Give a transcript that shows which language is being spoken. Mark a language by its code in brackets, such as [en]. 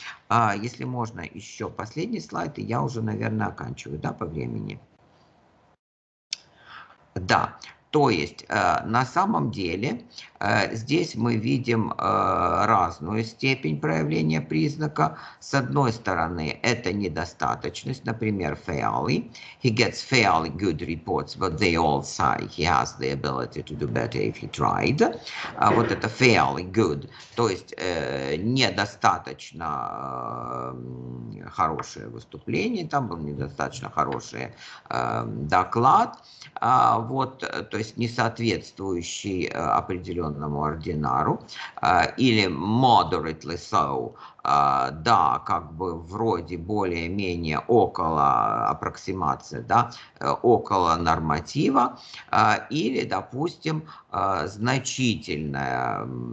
[ru] Если можно, еще последний слайд, и я уже, наверное, оканчиваю, да, по времени? Да. То есть, на самом деле, Здесь мы видим разную степень проявления признака. С одной стороны, это недостаточность, например, fairly. [en] He gets fairly good reports, but they all say he has the ability to do better if he tried. [ru] Вот это fairly good, то есть недостаточно хорошее выступление, там был недостаточно хороший доклад. Вот, то есть не соответствующий определенному ординару, или [en] moderately so, [ru] да, как бы вроде более-менее около аппроксимации, да, около норматива, или, допустим, значительная